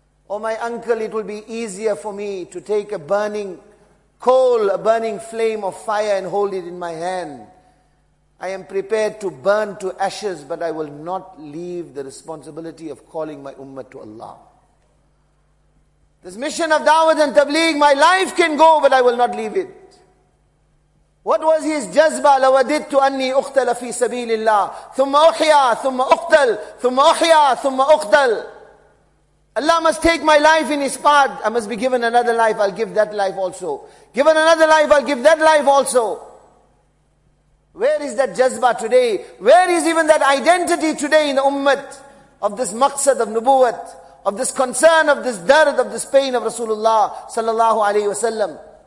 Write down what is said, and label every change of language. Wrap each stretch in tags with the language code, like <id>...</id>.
<en>Oh my uncle, it will be easier for me to take a burning coal, a burning flame of fire and hold it in my hand. I am prepared to burn to ashes, but I will not leave the responsibility of calling my ummah to Allah. This mission of da'wah and tabligh, my life can go, but I will not leave it. What was his jazba?</en> <ar>لَوَدِدْتُ أَنِّي أُخْتَلَ فِي سَبِيلِ اللَّهِ ثُمَّ أُحْيَا ثُمَّ أُخْتَلْ ثُمَّ أُحْيَا ثُمَّ أُخْتَلْ.</ar> <en>Allah must take my life in His path. I must be given another life, I'll give that life also. Given another life, I'll give that life also. Where is that jazba today? Where is even that identity today in the ummah of this maqsad of nubuwat, of this concern, of this dard, of this pain of Rasulullah sallallahu alayhi wasallam?</en>